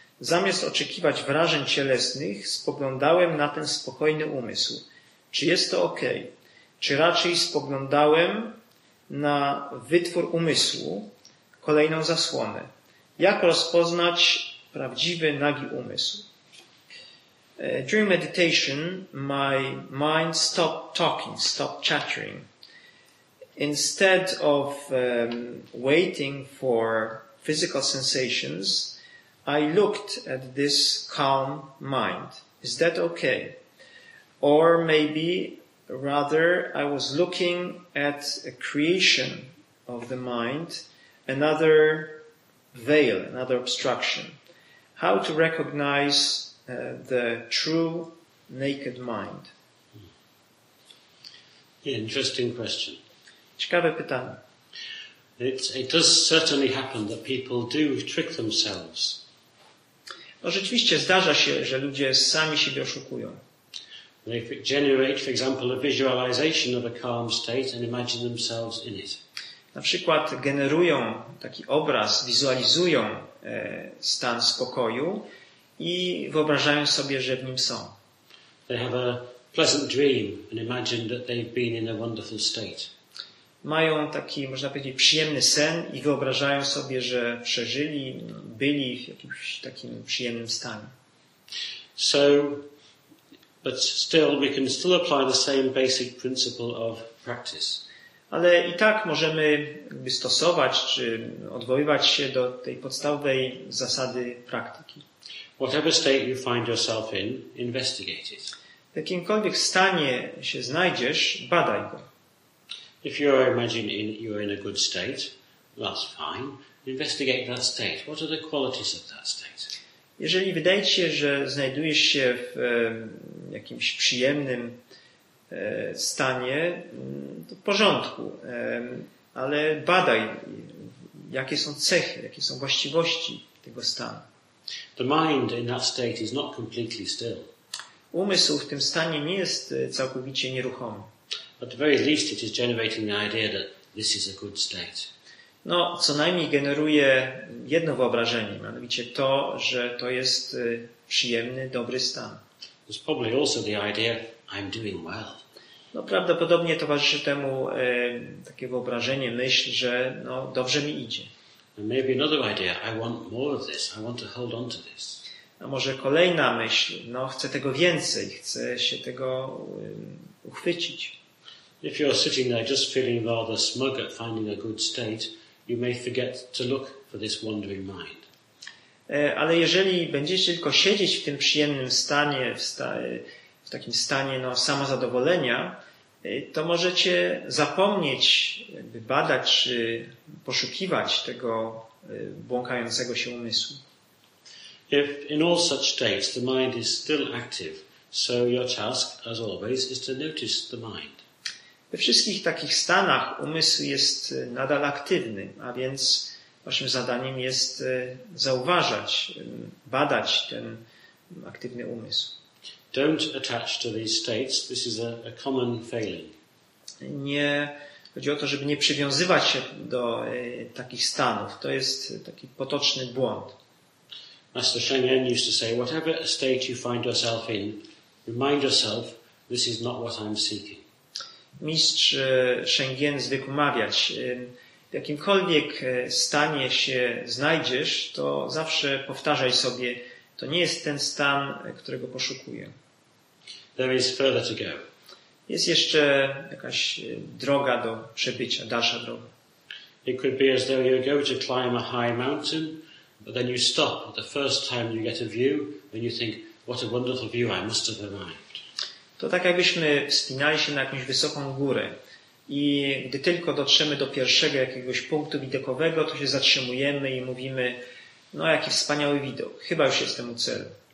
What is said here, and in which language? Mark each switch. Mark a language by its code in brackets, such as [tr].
[pl] Zamiast oczekiwać wrażeń cielesnych, spoglądałem na ten spokojny umysł. Czy jest to ok? Czy raczej spoglądałem na wytwór umysłu, kolejną zasłonę? Jak rozpoznać prawdziwy, nagi umysł? [en] During meditation, my mind stopped talking, stopped chattering. Instead of waiting for physical sensations, I looked at this calm mind. Is that okay? Or maybe rather I was looking at a creation of the mind, another veil, another obstruction. How to recognize the true naked mind? Yeah, interesting question. [pl] Ciekawe pytanie. [en] It does certainly happen that people do trick themselves. [pl] No, rzeczywiście zdarza się, że ludzie sami siebie oszukują. [en] They generate, for example, a visualization of a calm state and imagine themselves in it. [pl] Na przykład generują taki obraz, wizualizują stan spokoju i wyobrażają sobie, że w nim są. [en] They have a pleasant dream and imagine that they've been in a wonderful state. [pl] Mają taki, można powiedzieć, przyjemny sen i wyobrażają sobie, że przeżyli, byli w jakimś takim przyjemnym stanie. [en] So, but still we can still apply the same basic principle of practice. [pl] Ale i tak możemy jakby stosować czy odwoływać się do tej podstawowej zasady praktyki. [en] Whatever state you find yourself in, investigate it. [pl] W jakimkolwiek stanie się znajdziesz, badaj go. [en] If you are imagining you're in a good state, that's fine. Investigate that state. What are the qualities of that state? [pl] Jeżeli wydaje ci się, że znajdujesz się w jakimś przyjemnym stanie, to w porządku, ale badaj, jakie są cechy, jakie są właściwości tego stanu. [en] The mind in that state is not completely still. [pl] Umysł w tym stanie nie jest całkowicie nieruchomy. [en] At the very least it is generating the idea that this is a good state. [pl] No, co najmniej generuje jedno wyobrażenie, mianowicie to, że to jest przyjemny, dobry stan. [en] There's probably also the idea I'm doing well. [pl] No, prawdopodobnie towarzyszy temu takie wyobrażenie, myśl, że no, dobrze mi idzie. [en] And maybe another idea, I want more of this, I want to hold on to this. [pl] A może kolejna myśl, no chcę tego więcej, chcę się tego uchwycić. [en] If you're sitting there just feeling rather smug at finding a good state, you may forget to look for this wandering mind. [pl] Ale jeżeli będziecie tylko siedzieć w tym przyjemnym stanie, w takim stanie no, samozadowolenia, to możecie zapomnieć, jakby badać czy poszukiwać tego błąkającego się umysłu. [en] If in all such states the mind is still active, so your task, as always, is to notice the mind. [pl] We wszystkich takich stanach umysł jest nadal aktywny, a więc waszym zadaniem jest zauważać, badać ten aktywny umysł. [en] Don't attach to these states. This is a common failing. [pl] Nie chodzi o to, żeby nie przywiązywać się do takich stanów. To jest taki potoczny błąd. [en] Master Sheng Yen used to say, whatever state you find yourself in, remind yourself, this is not what I'm seeking. [pl] Mistrz Sheng Yen zwykł mawiać, w jakimkolwiek stanie się znajdziesz, to zawsze powtarzaj sobie, to nie jest ten stan, którego poszukuję. [en] There is further to go. [pl] Jest jeszcze jakaś droga do przebycia, dalsza droga. [en] It could be as though you go to climb a high mountain, but then you stop the first time you get a view and you think, what a wonderful view I must have arrived. [pl] To tak jakbyśmy wspinali się na jakąś wysoką górę i gdy tylko dotrzemy do pierwszego jakiegoś punktu widokowego, to się zatrzymujemy i mówimy, no jaki wspaniały widok, chyba już jestem u celu.